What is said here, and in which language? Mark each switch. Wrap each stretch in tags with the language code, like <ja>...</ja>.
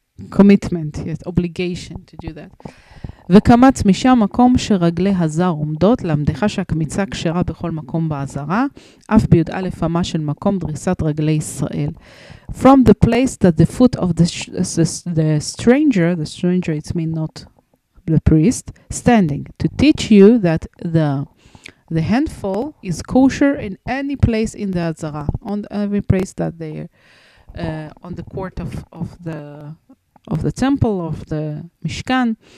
<en>Commitment, yes, obligation to do that.</en> <he>וקמץ משם מקום שרגלי הזר עומדות, למדך שהקמיצה קשרה בכל מקום בעזרה, אף ביוד א' פעמה של מקום דריסת רגלי ישראל.</he> <en>From the place that the foot of the stranger, it's mean not the priest, standing, to teach you that the handful is kosher in any place in the Azara, on every place that they on the court of the temple, of the Mishkan.</en>